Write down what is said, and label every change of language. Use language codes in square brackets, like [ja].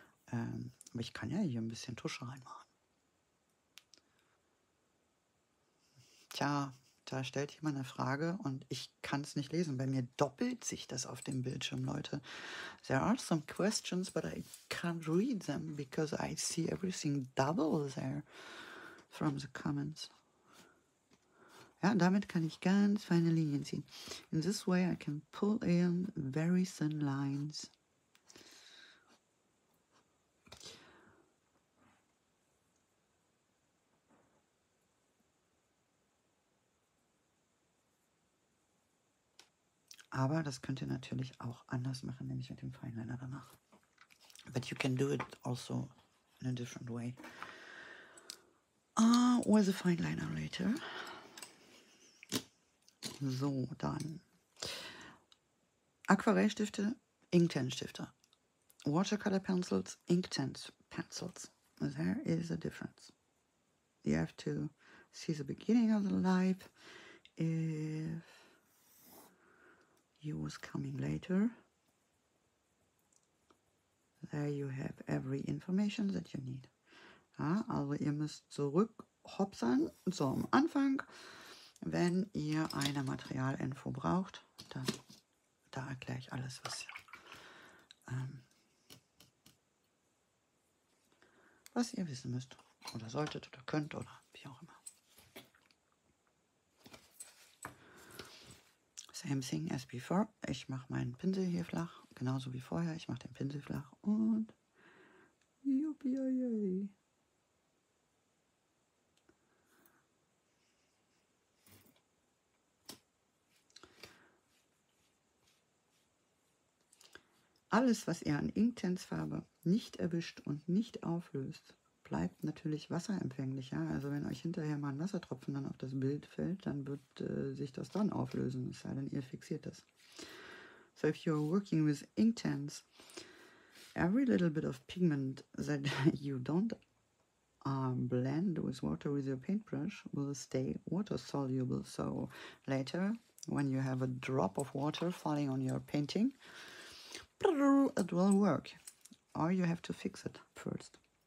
[de] Aber ich kann ja hier ein bisschen Tusche reinmachen. Tja, da stellt jemand eine Frage und ich kann es nicht lesen. Bei mir doppelt sich das auf dem Bildschirm, Leute. [en] There are some questions, but I can't read them because I see everything double there from the comments. [de] Ja, damit kann ich ganz feine Linien ziehen. [en] In this way I can pull in very thin lines. [de] Aber das könnt ihr natürlich auch anders machen, nämlich mit dem Fineliner danach. [en] But you can do it also in a different way. With the Fineliner later. [de] So, dann Aquarellstifte, Inktenstifte. [en] Watercolor pencils, Inktent pencils. There is a difference. You have to see the beginning of the life. If you was coming later, there you have every information that you need. [de] Ja, also ihr müsst zurück hopsern zum Anfang. Wenn ihr eine Materialinfo braucht, dann da erkläre ich alles, was ihr wissen müsst oder solltet oder könnt oder wie auch immer. [en] Same thing as before. [de] Ich mache meinen Pinsel hier flach, genauso wie vorher. Ich mache den Pinsel flach und yuppie. Alles, was ihr an Inktensfarbe nicht erwischt und nicht auflöst, bleibt natürlich wasserempfänglich. Ja? Also wenn euch hinterher mal ein Wassertropfen dann auf das Bild fällt, dann wird sich das dann auflösen, es sei denn, ihr fixiert das. [en] So if you're working with inktens, every little bit of pigment that you don't blend with water with your paintbrush will stay water soluble. So later, when you have a drop of water falling on your painting, it will work, or you have to fix it first.